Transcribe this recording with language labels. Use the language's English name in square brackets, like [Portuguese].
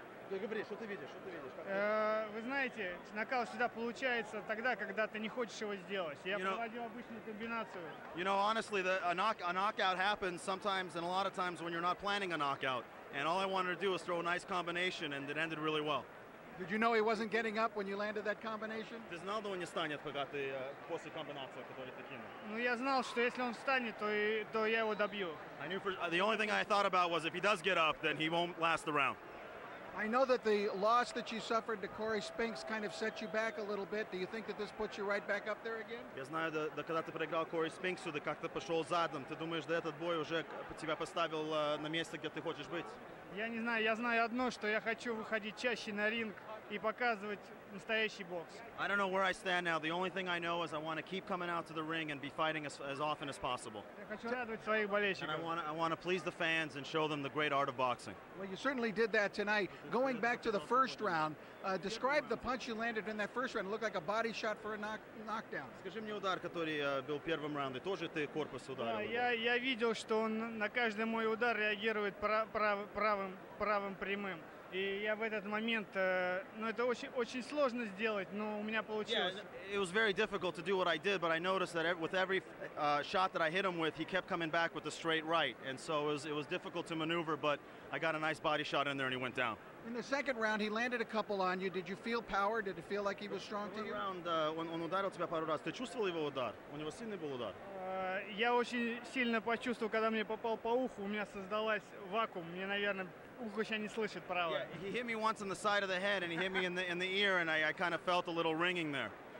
[Russian] Говори, что ты видишь, что ты видишь? Вы знаете, нокаут всегда получается тогда, когда ты не хочешь его сделать. Я проводил обычную комбинацию. [English] You know, honestly, a knockout happens sometimes and a lot of times when you're not planning a knockout. And all I wanted to do was throw a nice combination and it ended really well. Did you know he wasn't getting up when you landed that combination? [Russian] Ты знал, что он не встанет, когда ты после комбинации, которую ты кинул? Ну, я знал, что если он встанет, то я его добью. [English] I knew the only thing I thought about was if he does get up, then he won't last the round. I know that the loss that you suffered to Corey Spinks kind of set you back a little bit. Do you think that this puts you right back up there again? [Russian] Я знаю, да, когда ты проиграл Corey Spinks, ты как-то пошел задом. Ты думаешь, да, этот бой уже тебя поставил на место, где ты хочешь быть? Я не знаю. Я знаю одно, что я хочу выходить чаще на ринг и показывать настоящий бокс. [English] I don't know where I stand now. The only thing I know is I want to keep coming out to the ring and be fighting as often as possible. [Russian] Я хочу радовать своих болельщиков. [English] And I want to please the fans and show them the great art of boxing. Well, you certainly did that tonight. Going back to the first round, describe the punch you landed in that first round. It looked like a body shot for a knockdown. [Russian] Скажи мне удар, который был в первом раунде. Тоже ты корпус ударил? Я видел, что он на каждый мой удар реагирует правым прямым. И я в этот момент, ну это очень очень сложно сделать, но у меня получилось. [English] It was very difficult to do what I did, but I noticed that with every shot that I hit him with, he kept coming back with a straight right, and so it was difficult to maneuver, but I got a nice body shot in there and he went down. In the second round, he landed a couple on you. Did you feel power? Did it feel like he was strong to you? Round, when [Russian] он ударил тебя пару раз, ты чувствовал его удар? У него сильный был удар? Я очень сильно почувствовал, когда мне попал по уху, у меня создалась вакуум, мне, наверное, ухо сейчас не слышит правое. [English] Yeah, he hit me once on the side of the head, and he hit me in the ear, and I kind of felt a little ringing there.